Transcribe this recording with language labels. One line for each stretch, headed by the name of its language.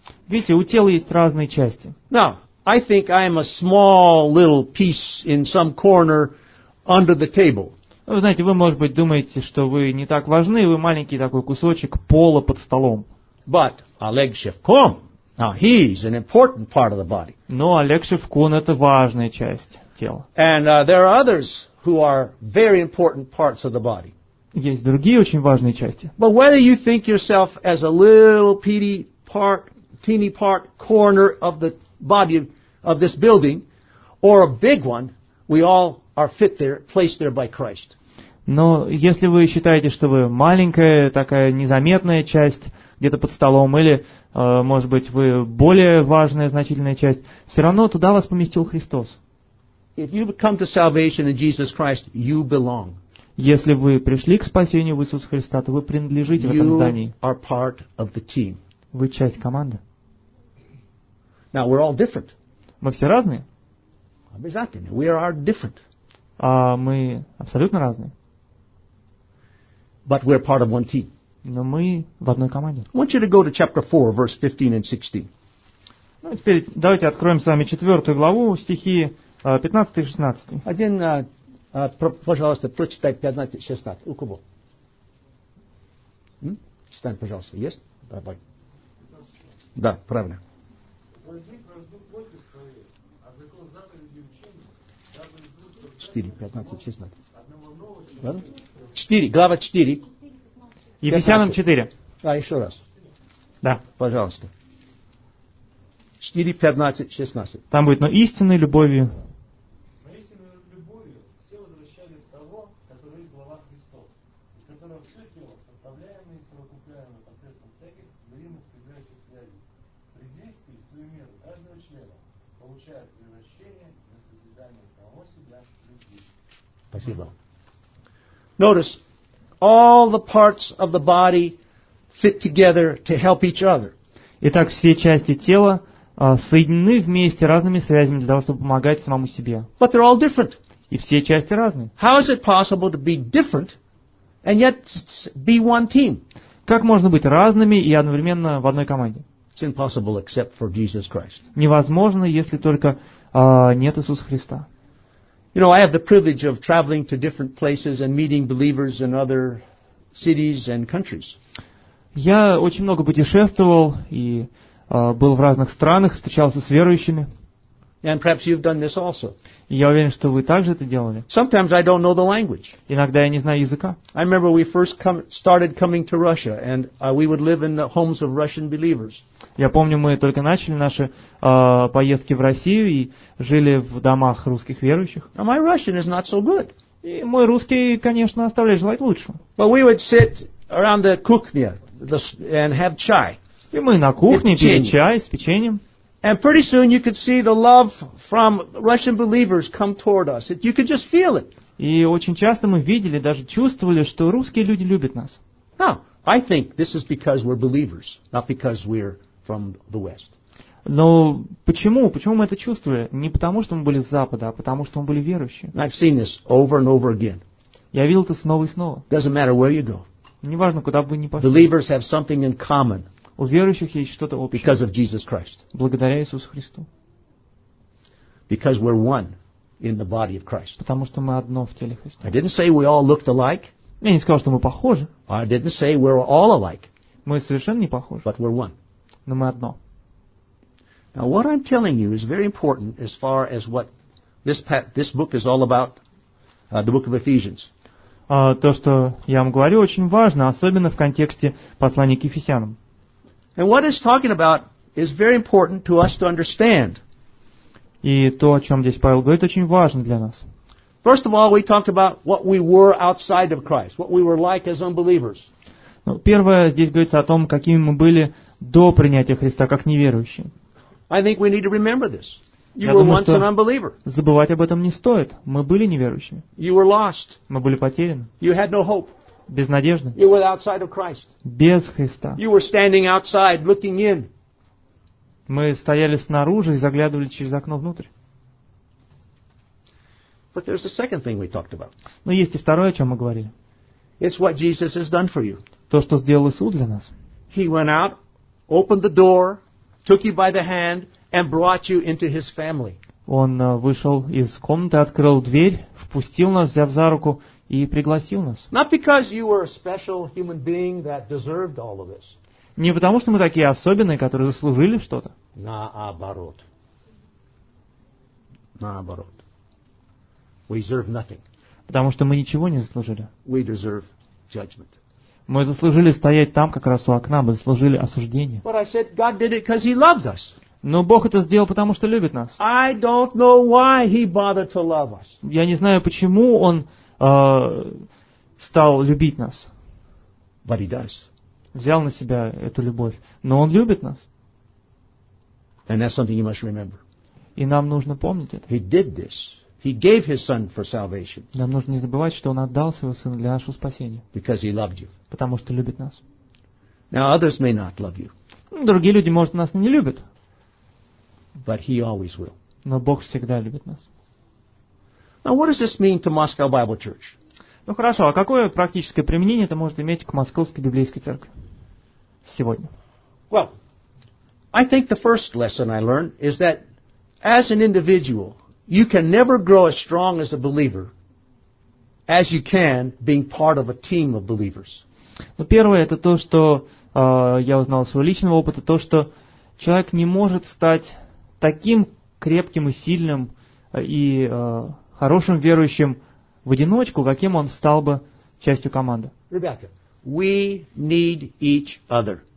Russian: Видите, у тела есть разные части.
English: Now, I think I am a small little piece in some corner under the table.
Russian: Вы знаете, вы, может быть, думаете, что вы не так важны, вы маленький такой кусочек пола под столом.
English: But Oleg Shevkun, now he's an important part of the body.
Russian: Но Олег Шевкун — это важная часть тела.
English: And there are others who are very important parts of the body.
Russian: Есть другие очень важные части.
English: But whether you think yourself as a little petty part, teeny part, corner of the body of this building, or a big one, we all are fit there, placed there by Christ.
Russian: Но если вы считаете, что вы маленькая такая незаметная часть где-то под столом, или, может быть, вы более важная значительная часть, все равно туда вас поместил Христос.
English: If you come to salvation in Jesus Christ, you belong.
Russian: Если вы пришли к спасению в Иисуса Христа, то вы принадлежите
English: you
Russian: в этом здании.
English: Are part of the team.
Russian: Вы часть команды.
English: Now we're all different.
Russian: Мы все разные.
English: Exactly. We are different.
Russian: А мы абсолютно разные.
English: But we're part of one team.
Russian: Но мы в одной команде.
English: I want you to go to chapter 4, verse 15 and 16.
Russian: Ну, теперь давайте откроем с вами 4 главу, стихи 15 и 16. Один, пожалуйста, прочитай 15 и 16. У кого? Читай, пожалуйста. Есть? Давай. Да, правильно. Возник раздут против твоей, а закон заповеди учения, дабы из двух... 4, 15, 16. 4, глава 4. Ефесянам 4. А, еще раз. Да. Пожалуйста. 4, 15, 16. Там будет, но истинной любовью... Но истинной любовью все возвращали в того, который есть глава Христос, и которого все тело, составляемое и совокупляемое посредством всяких длинных связующих связей, при действии в свою меру каждого члена получает превращение на созидание самого себя в любви. Спасибо.
English: Notice. All the parts of the body fit together to help each other.
Russian: Итак, все части тела соединены вместе разными связями для того, чтобы помогать самому себе.
English: But they're all different.
Russian: И все части разные.
English: How is it possible to be different and yet be one team?
Russian: Как можно быть разными и одновременно в одной команде?
English: It's impossible except for Jesus Christ.
Russian: Невозможно, если только нет Иисуса Христа.
English: You know, I have the privilege of traveling to different places and meeting believers in other cities and countries.
Russian: Я очень много путешествовал и был в разных странах, встречался с верующими.
English: And perhaps you've done this also.
Russian: Я уверен, что вы также это делали.
English: Sometimes I don't know the language.
Russian: Иногда я не знаю языка.
English: I remember we first started coming to Russia, and we would live in the homes of Russian believers.
Russian: Я помню, мы только начали наши поездки в Россию и жили в домах русских верующих.
English: Now my Russian is not so good.
Russian: И мой русский, конечно, оставляет желать лучшего.
English: But we would sit around the kuchnya and have chai.
Russian: И мы на кухне пили чай с печеньем.
English: And pretty soon you could see the love from Russian believers come toward us. You could just feel it.
Russian: И очень часто мы видели, даже чувствовали, что русские люди любят нас.
English: Now, I think this is because we're believers, not because we're from the West.
Russian: Но почему? Почему мы это чувствовали? Не потому, что мы были с Запада, а потому, что мы были верующие.
English: I've seen this over and over again.
Russian: Я видел это снова и снова.
English: Doesn't matter where you go.
Russian: Неважно, куда бы вы ни пошли.
English: Believers have something in common.
Russian: У верующих есть что-то общее.
English: Because of Jesus Christ.
Russian: Благодаря Иисусу Христу.
English: Because we're one in the body of Christ.
Russian: Потому что мы одно в теле Христа.
English: I didn't say we all looked alike.
Russian: Я не сказал, что мы похожи.
English: I didn't say we're all alike.
Russian: Мы совершенно не похожи.
English: But we're one.
Russian: Но мы одно.
English: Now what I'm telling you is very important as far as what this book is all about, the book of Ephesians.
Russian: То, что я вам говорю, очень важно, особенно в контексте послания к Ефесянам.
English: And what it's talking about is very important to us to understand.
Russian: И то, о чем здесь Павел говорит, очень важно для нас.
English: First of all, we talked about what we were outside of Christ, what we were like as unbelievers.
Russian: Ну, первое, здесь говорится о том, какими мы были до принятия Христа, как неверующие.
English: I think we need to remember this. You
Russian: Я
English: were
Russian: думаю,
English: once an unbeliever.
Russian: Забывать об этом не стоит. Мы были неверующими.
English: You were lost.
Russian: Мы были потеряны.
English: You had no hope.
Russian: Без надежды.
English: You were outside of Christ.
Russian: Без Христа.
English: You were standing outside, looking in.
Russian: Мы стояли снаружи и заглядывали через окно внутрь.
English: But there's a second thing we talked about.
Russian: Но есть и второе, о чем мы говорили.
English: It's what Jesus has done for you.
Russian: то, что сделал Иисус для нас.
English: He went out, opened the door, took you by the hand, and brought you into his family.
Russian: Он вышел из комнаты, открыл дверь, впустил нас, взяв за руку, и пригласил нас.
English: Not because you were a special human being that deserved all of this.
Russian: Не потому, что мы такие особенные, которые заслужили что-то. Наоборот. Наоборот.
English: We deserve nothing.
Russian: Потому что мы ничего не заслужили.
English: We deserve judgment.
Russian: Мы заслужили стоять там, как раз у окна, мы заслужили осуждение.
English: But I said God did it because he loved us.
Russian: Но Бог это сделал, потому что любит нас.
English: I don't know why he bothered to love us.
Russian: Я не знаю, почему он стал любить нас.
English: But he does.
Russian: Взял на себя эту любовь. Но он любит нас.
English: And that's something you must remember.
Russian: И нам нужно помнить это.
English: He did this. He gave his son for salvation.
Russian: Нам нужно не забывать, что он отдал своего сына для нашего спасения.
English: Because he loved you.
Russian: Потому что любит нас.
English: Now others may not love you.
Russian: Другие люди, может, нас не любят.
English: But he always will.
Russian: Но Бог всегда любит нас.
English: Now what does this mean to Moscow Bible Church?
Russian: Ну хорошо, а какое практическое применение это может иметь к Московской библейской церкви сегодня?
English: Well, I think the first lesson I learned is that as an individual, you can never grow as strong as a believer as you can being part of a team of believers.
Russian: Ну первое это то, что я узнал из своего личного опыта, то, что человек не может стать таким крепким и сильным и хорошим верующим в одиночку, каким он стал бы частью команды. Ребята,
English: we need each other.